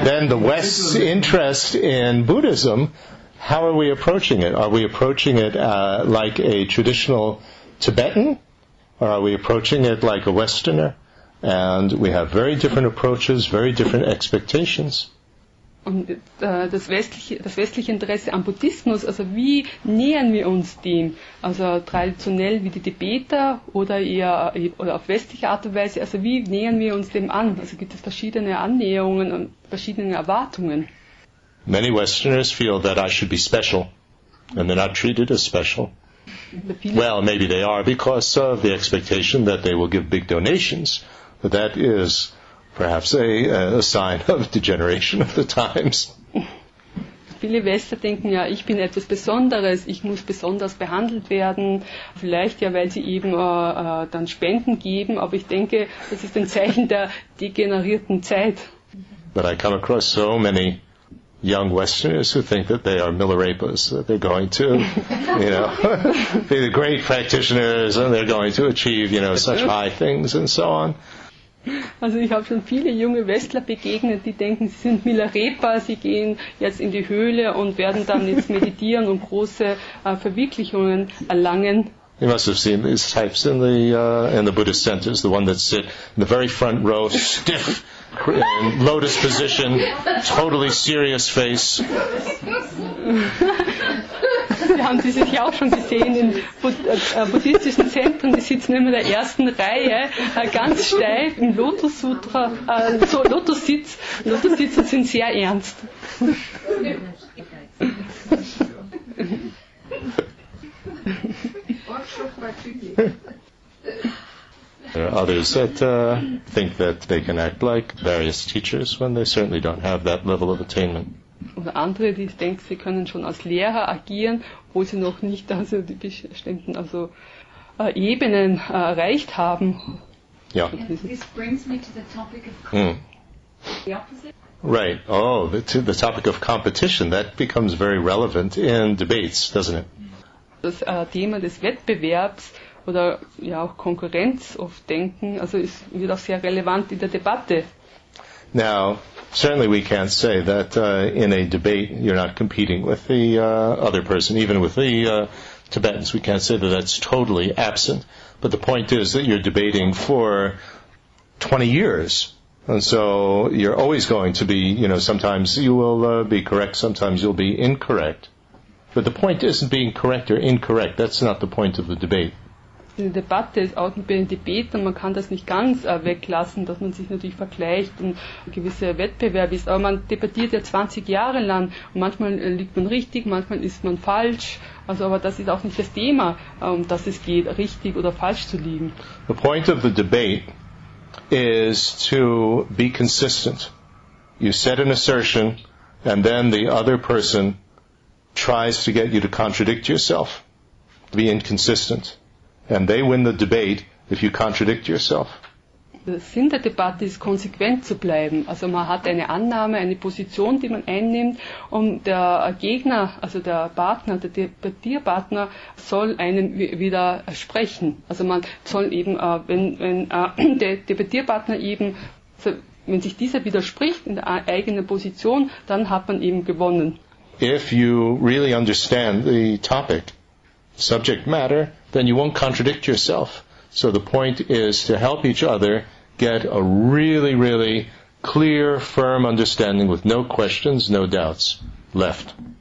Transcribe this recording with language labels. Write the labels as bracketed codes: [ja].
[en] Then the West's interest in Buddhism, how are we approaching it? Are we approaching it like a traditional Tibetan? Or are we approaching it like a Westerner? And we have very different approaches, very different expectations. [de] Und das westliche Interesse am Buddhismus, also wie nähern wir uns dem? Also traditionell wie die Tibeter oder eher oder auf westliche Art und Weise, also wie nähern wir uns dem an? Also gibt es verschiedene Annäherungen und verschiedene Erwartungen? [en] Many Westerners feel that I should be special, and they're not treated as special. Well, maybe they are because of the expectation that they will give big donations, but that is perhaps a sign of degeneration of the times. [de] Viele Wester denken ja, ich bin etwas Besonderes, ich muss besonders behandelt werden, vielleicht ja, weil sie eben dann Spenden geben, aber ich denke, das ist ein Zeichen der degenerierten Zeit. [en] But I come across so many young Westerners who think that they are Milarepas, that they're going to, you know, be the great practitioners and they're going to achieve, you know, such high things and so on. [de] Also ich habe schon viele junge Westler begegnet, die denken, sie sind Milarepa, sie gehen jetzt in die Höhle und werden dann jetzt meditieren und große Verwirklichungen erlangen. [en] You must have seen these types in the Buddhist centers, the one that sit in the very front row, stiff, in lotus position, totally serious face. [de] Wir haben diese ja auch schon gesehen in buddhistischen Zentren, die sitzen immer in der ersten Reihe, ganz steif im Lotus-Sutra, so Lotus-Sitz. Lotus-Sitze sind sehr ernst. [en] There are others that think that they can act like various teachers when they certainly don't have that level of attainment. [de] Oder andere, die denken, sie können schon als Lehrer agieren, wo sie noch nicht also die bestimmten also, Ebenen erreicht haben. Ja. [en] This brings me to the topic of The opposite. Right. Oh, to the topic of competition. That becomes very relevant in debates, doesn't it? [de] Das Thema des Wettbewerbs oder ja auch Konkurrenz oft denken, also ist wird auch sehr relevant in der Debatte. [en] Now, certainly we can't say that in a debate you're not competing with the other person, even with the Tibetans. We can't say that that's totally absent. But the point is that you're debating for 20 years. And so you're always going to be, you know, sometimes you will be correct, sometimes you'll be incorrect. But the point isn't being correct or incorrect. That's not the point of the debate. [de] Die Debatte ist auch mit dem Debat und man kann das nicht ganz weglassen, dass man sich natürlich vergleicht und ein gewisser Wettbewerb ist. Aber man debattiert ja 20 Jahre lang und manchmal liegt man richtig, manchmal ist man falsch. Also, aber das ist auch nicht das Thema, um das es geht, richtig oder falsch zu liegen. [en] The point of the debate is to be consistent. You set an assertion and then the other person tries to get you to contradict yourself, be inconsistent. And they win the debate if you contradict yourself. [de] Der Sinn der Debatte ist, konsequent zu bleiben. Also man hat eine Annahme, eine Position, die man einnimmt, und der Gegner, also der Partner, der Debattierpartner, soll einem widersprechen. Also man soll eben, wenn der Debattierpartner eben, wenn sich dieser widerspricht in der eigenen Position, dann hat man eben gewonnen. [en] If you really understand the topic, subject matter, then you won't contradict yourself. So the point is to help each other get a really, really clear, firm understanding with no questions, no doubts left.